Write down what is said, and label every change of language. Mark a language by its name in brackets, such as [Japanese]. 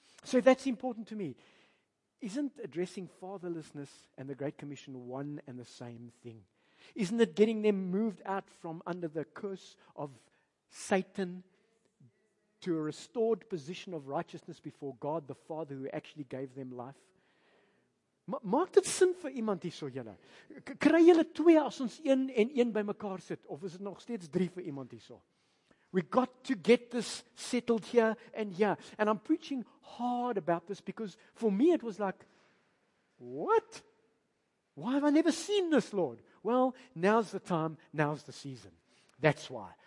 [English] So that's important to me. Isn't addressing fatherlessness and the Great Commission one and the same thing? Isn't it getting them moved out from under the curse of Satan to a restored position of righteousness before God, the Father who actually gave them life? [Afrikaans] Maak dit sin vir iemand hier so julle? Kry julle twee as ons een en een by mekaar sit? Of is dit nog steeds drie vir iemand hier so? [English] We got to get this settled here and here. And I'm preaching hard about this because for me it was like, what? Why have I never seen this, Lord? Well, now's the time, now's the season. That's why.